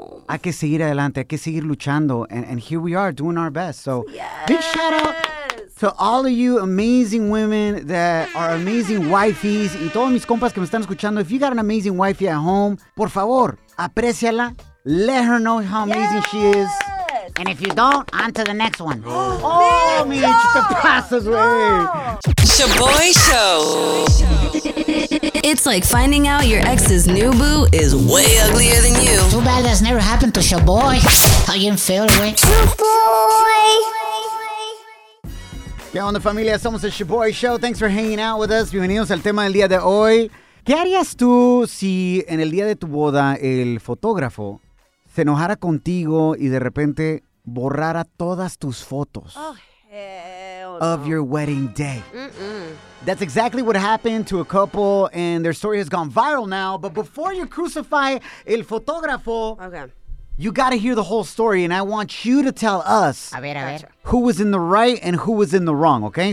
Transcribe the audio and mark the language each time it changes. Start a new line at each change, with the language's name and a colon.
Spanish: Hay que seguir adelante, hay que seguir luchando.
English: And here we are doing our best. So big shout out to all of you amazing women that are amazing wifeys.
Spanish: Y todos mis compas que me están escuchando.
English: If you got an amazing wifey at home,
Spanish: por favor, apreciala.
English: Let her know how amazing she is. And if you don't, on to the next one. Oh, me, just the passes away. Sha'Boy Show. It's like finding out your ex's new boo is way uglier than you. Too bad that's never happened to Sha'Boy. How you feel, boy? Sha'Boy.
Spanish: ¿Qué onda, familia? Somos el Sha'Boy Show.
English: Thanks for hanging out with us.
Spanish: Bienvenidos al tema del día de hoy. ¿Qué harías tú si en el día de tu boda el fotógrafo se enojara contigo y de repente borrara todas tus fotos?
English: Oh, Hell of no. Your wedding day. Mm-mm. That's exactly what happened to a couple, and their story has gone viral now. But before you crucify
Spanish: el fotógrafo,
English: you got to hear the whole story, and I want you to tell us who was in the right and who was in the wrong, okay?